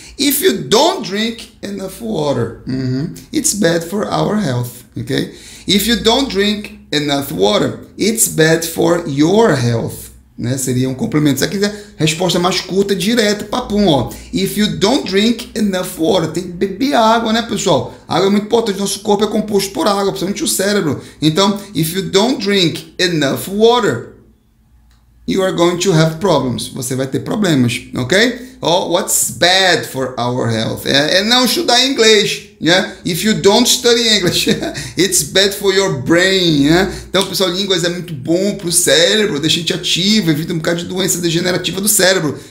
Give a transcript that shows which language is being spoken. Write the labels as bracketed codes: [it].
[en] If you don't drink enough water, it's bad for our health, ok? If you don't drink enough water, it's bad for your health, né? [pt] Seria um complemento. Se quiser, resposta mais curta, direto, papum, ó. [en] If you don't drink enough water, [pt] tem que beber água, né, pessoal? Água é muito importante, nosso corpo é composto por água, principalmente o cérebro. [en] Então, if you don't drink enough water, you are going to have problems. [pt] Você vai ter problemas, ok? [en] Oh, what's bad for our health? [pt] É não estudar inglês, [en] yeah? If you don't study English, it's bad for your brain, yeah? [pt] Então, pessoal, línguas é muito bom pro cérebro, deixa a gente ativo, evita um bocado de doença degenerativa do cérebro.